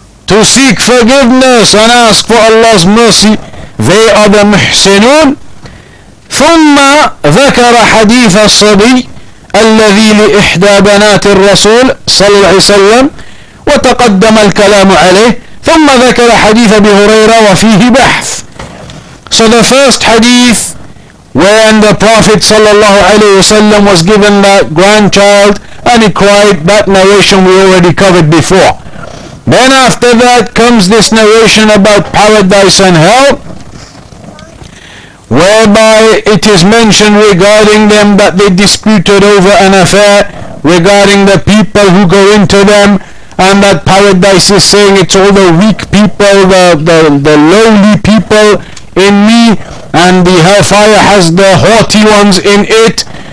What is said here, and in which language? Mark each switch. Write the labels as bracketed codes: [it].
[en] To seek forgiveness and ask for Allah's mercy. They are the muhsinun. [ar] Thumma ذكر حديث الصبي الذي لإحدى بنات الرسول صلى الله عليه وسلم وتقدم الكلام عليه ثم ذكر حديث أبي هريرة وفيه بحث. [en] So the first hadith when the Prophet صلى الله عليه وسلم was given that grandchild and he cried, that narration we already covered before. Then after that comes this narration about paradise and hell, whereby it is mentioned regarding them that they disputed over an affair regarding the people who go into them, and that paradise is saying it's all the weak people, the lowly people in me, and the hellfire has the haughty ones in it.